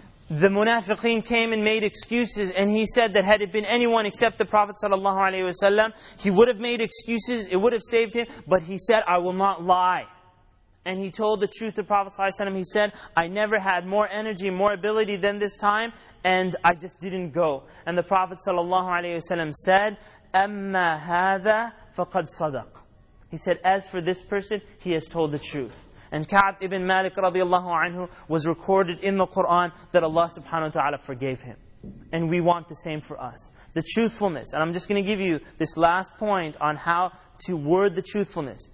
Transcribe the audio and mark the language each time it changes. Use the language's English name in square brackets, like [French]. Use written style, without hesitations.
[English] The munafiqeen came and made excuses, and he said that had it been anyone except the Prophet ﷺ, he would have made excuses, it would have saved him, but he said, I will not lie. And he told the truth to Prophet ﷺ, he said, I never had more energy, more ability than this time, and I just didn't go. And the Prophet ﷺ said, [Arabic] أَمَّا هَذَا فَقَدْ صَدَقْ. [English] He said, as for this person, he has told the truth. And Ka'b ibn Malik radiallahu anhu was recorded in the Qur'an that Allah subhanahu wa ta'ala forgave him. And we want the same for us. The truthfulness, and I'm just going to give you this last point on how to word the truthfulness.